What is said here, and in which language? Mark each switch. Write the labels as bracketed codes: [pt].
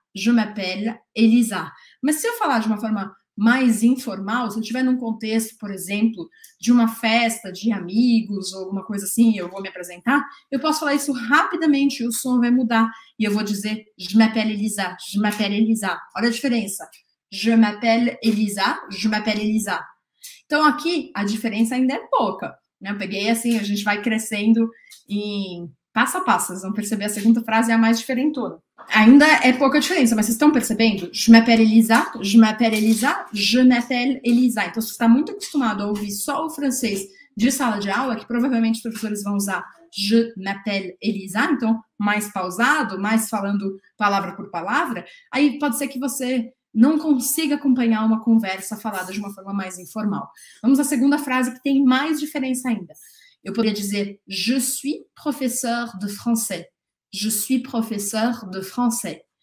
[fr] Je m'appelle Elisa. [pt] Mas se eu falar de uma forma mais informal, se eu estiver num contexto, por exemplo, de uma festa, de amigos, ou alguma coisa assim, eu vou me apresentar, eu posso falar isso rapidamente, o som vai mudar. E eu vou dizer, [fr] je m'appelle Elisa. Je m'appelle Elisa. [pt] Olha a diferença. [fr] Je m'appelle Elisa, je m'appelle Elisa. [pt] Então, aqui, a diferença ainda é pouca. Né? Eu peguei assim, a gente vai crescendo em passo a passo. Vocês vão perceber, a segunda frase é a mais diferentona. Ainda é pouca diferença, mas vocês estão percebendo? [fr] Je m'appelle Elisa, je m'appelle Elisa, je m'appelle Elisa. [pt] Então, se você está muito acostumado a ouvir só o francês de sala de aula, que provavelmente os professores vão usar [fr] je m'appelle Elisa, [pt] então, mais pausado, mais falando palavra por palavra, aí pode ser que você não consiga acompanhar uma conversa falada de uma forma mais informal. Vamos à segunda frase que tem mais diferença ainda. Eu poderia dizer [fr] je suis professeur de français. Je suis professeur de français.